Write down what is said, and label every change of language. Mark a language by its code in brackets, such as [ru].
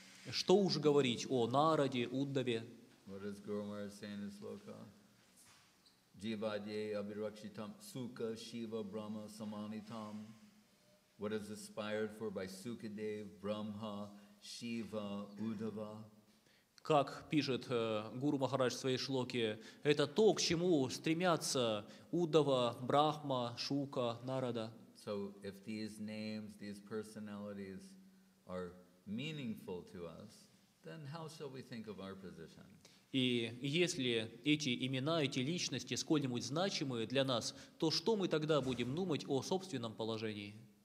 [ru] Что уж говорить о Нараде, Уддаве? [en] What does Guru Maharaj say in this loka? [sa] Jivadye abhirakshitam sukha shiva brahma samanitam. [en] What is aspired for by Sukadev, Brahma, Шива, Удава. [ru] Как пишет Гуру Махарадж в своей шлоке, это то, к чему стремятся Удава, Брахма, Шука, Нарада. [en] So if these names, these personalities are meaningful to us, then how shall we think of our position? [ru] И если эти имена, эти личности сколь-нибудь значимы для нас, то что мы тогда будем думать о собственном положении?